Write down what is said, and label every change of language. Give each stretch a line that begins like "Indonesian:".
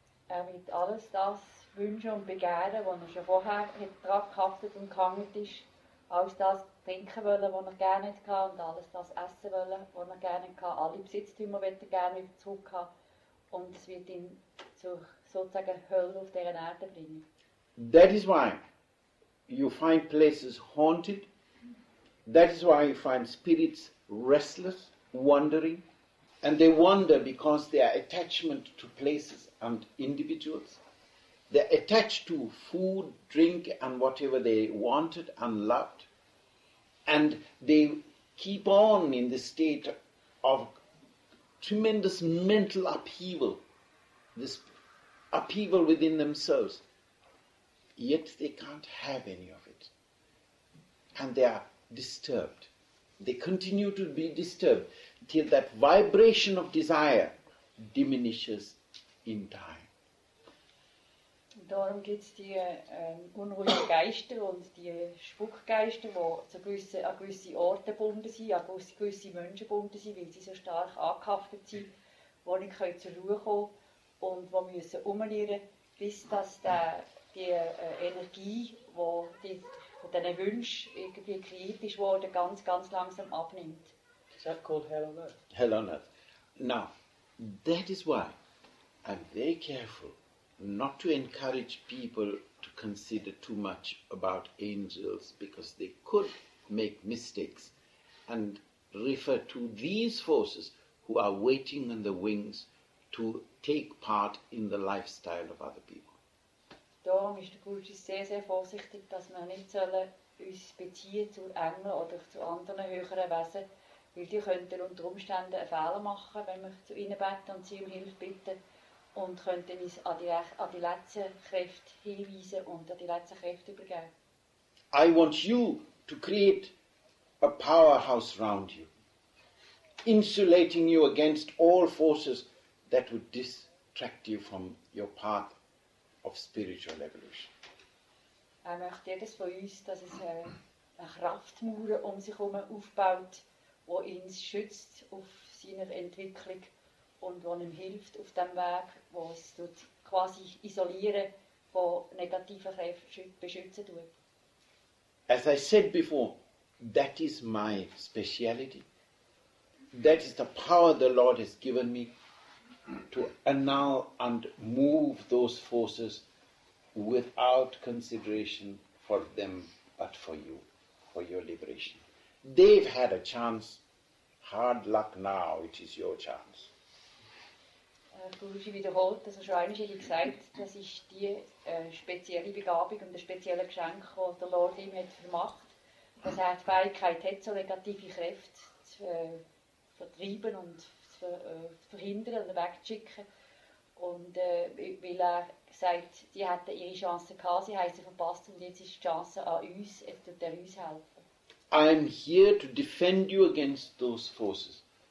German: Er wird alles das wünschen und begehren, was er schon vorher daran gehaftet und gehangen ist. Alles das trinken wollen, was er gerne hatte, und alles das essen wollen, was er gerne hatte. Alle Besitztümer wird er gerne zurück haben. Und es wird ihn zur sozusagen Hölle auf dieser Erde bringen.
English: That is why you find places haunted. That is why you find spirits restless, wandering. And they wander because they are attachment to places and individuals. They are attached to food, drink, and whatever they wanted and loved. And they keep on in the state of tremendous mental upheaval, this upheaval within themselves. Yet they can't have any of it. And they are disturbed. They continue to be disturbed till that vibration of desire diminishes in time.
German: Darum gibt es die unruhigen Geister und die Spukgeister, die an gewisse Orte gebunden sind, an gewisse Menschen gebunden sind, weil sie so stark angehaftet sind, wo sie nicht zur Ruhe kommen und wo müssen umlehren, bis dass die Energie, die von diesen Wünschen irgendwie kreiert ist worden, ganz, ganz langsam abnimmt.
English: Is that called hell on earth? Hell on earth. Now, that is why I'm very careful not to encourage people to consider too much about angels, because they could make mistakes and refer to these forces who are waiting on the wings to take part in the lifestyle of other people.
German: Darum ist der Guruji sehr, sehr vorsichtig, dass wir nicht sollen uns beziehen zu Engeln oder zu anderen höheren Wesen, weil die könnten unter Umständen einen Fehler machen, wenn wir zu ihnen beten und sie um Hilfe bitten und könnten uns an die letzten Kräfte hinweisen und an die letzten Kräfte übergeben.
English: I want you to create a powerhouse around you, insulating you against all forces that would distract you from your path of spiritual evolution.
German: Er möchte jedes von uns, dass es eine Kraftmauer um sich herum aufbaut, wo ihn schützt auf seiner Entwicklung und wo ihm hilft auf dem Weg, wo es tut, quasi isolieren von negativen Kräften beschützen tut.
English: As I said before, that is my speciality. That is the power the Lord has given me to annul and move those forces without consideration for them, but for you, for your liberation. They've had a chance. Hard luck now, it is your chance.
German: Guruji wiederholt, dass er schon einmal gesagt, das ist die spezielle Begabung und das spezielle Geschenk, das der Lord ihm hat vermacht, dass er die Fähigkeit hat, so negative Kräfte zu vertreiben und zu verhindern und wegzuschicken. Und weil er sagt, die hätten ihre Chance gehabt, sie haben sie verpasst und jetzt ist die Chance an uns, jetzt tut er uns helfen.
English: I am here to defend you against those forces.